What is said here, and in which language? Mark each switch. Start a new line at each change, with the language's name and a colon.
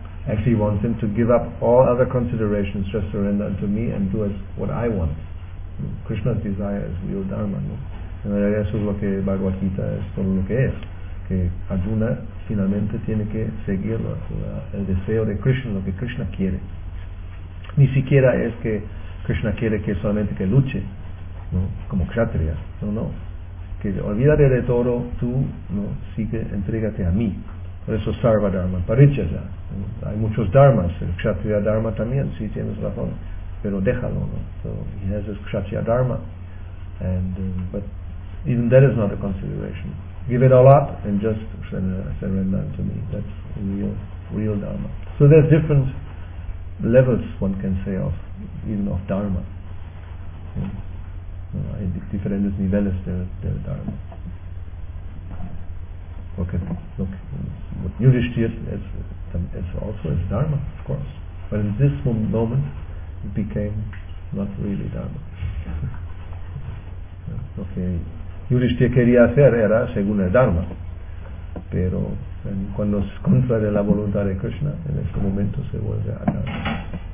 English: Actually, he wants him to give up all other considerations, just surrender unto me and do as what I want. Krishna's desire is real dharma, no?
Spanish: En realidad eso es lo que Bhagavad Gita es, todo lo que es, que Arjuna finalmente tiene que seguir el deseo de Krishna, lo que Krishna quiere. Ni siquiera es que Krishna quiere que solamente que luche, ¿no? Como kshatriya, no, que olvídate de todo, tú, ¿no? Sigue, entrégate a mí. Por eso sarva dharma parichaya, ¿no? Hay muchos dharmas, el kshatriya dharma también, sí, tienes razón, pero déjalo, ¿no?
English: So he has his kshatriya dharma. But even that is not a consideration. Give it all up and just surrender to me. That's real dharma. So there's different levels, one can say, of dharma.
Spanish: Hay diferentes niveles de dharma.
English: Look, what Yudhishthira is also is dharma, of course. But in this moment, it became not really dharma.
Spanish: Lo que Yudhishthira quería hacer era según el dharma, pero cuando es contra de la voluntad de Krishna, en ese momento se vuelve a dharma.